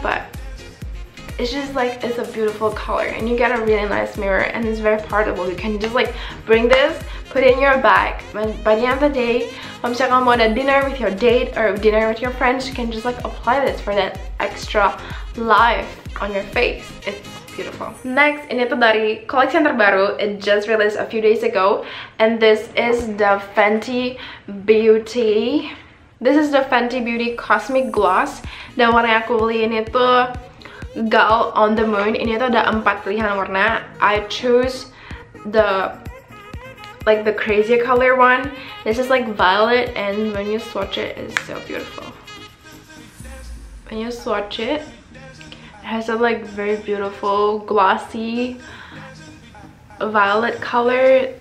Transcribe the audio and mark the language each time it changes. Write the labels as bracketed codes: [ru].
[en] But it's just like, it's a beautiful color and you get a really nice mirror and it's very portable. You can just like bring this, put it in your bag. When by the end of the day, when you want a dinner with your date or dinner with your friends, you can just like apply this for that extra life on your face. It's beautiful. Next, [id] ini tuh dari koleksian terbaru. [en] It just released a few days ago. And this is the Fenty Beauty. This is the Fenty Beauty Cosmic Gloss. [id] Dan warna aku beli ini tuh Girl on the Moon. Ini tuh ada 4 pilihan warna. [en] I choose the like the crazier color one. This is like violet and when you swatch it, it's so beautiful. When you swatch it, it has a like very beautiful glossy violet color.